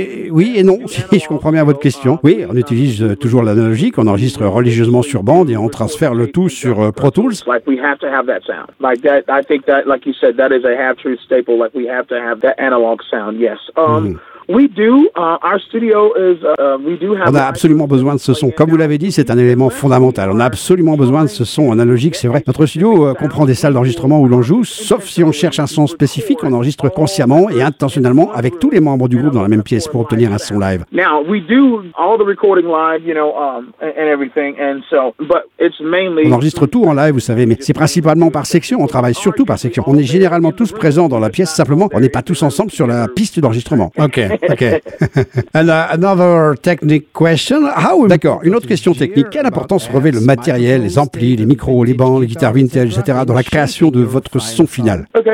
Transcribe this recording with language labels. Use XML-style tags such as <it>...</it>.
<fr>Oui et non, si je comprends bien votre question. Oui, on utilise toujours l'analogique, on enregistre religieusement sur bande et on transfère le tout sur Pro Tools.</fr> <en>Like we have to have that sound. Like that, I think that, like you said, that is a half-truth staple. Like we have to have that analog sound, yes. We do. Our studio is. We do have.</en> <fr>On a absolument besoin de ce son. Comme vous l'avez dit, c'est un élément fondamental. On a absolument besoin de ce son analogique. C'est vrai. Notre studio comprend des salles d'enregistrement où l'on joue, sauf si on cherche un son spécifique. On enregistre consciemment et intentionnellement avec tous les membres du groupe dans la même pièce pour obtenir un son live.</fr> <en>Now we do all the recording live, you know, and everything, and so. But it's mainly.</en> <fr>On enregistre tout en live, vous savez, mais c'est principalement par section. On travaille surtout par section. On est généralement tous présents dans la pièce. Simplement, on n'est pas tous ensemble sur la piste d'enregistrement.</fr> <en>Okay. Okay. And another technique question. How</en> <fr>d'accord, une autre question technique. Quelle importance revêt le matériel, les amplis, les micros, les bancs, les guitares vintage, etc. dans la création de votre son final?</fr>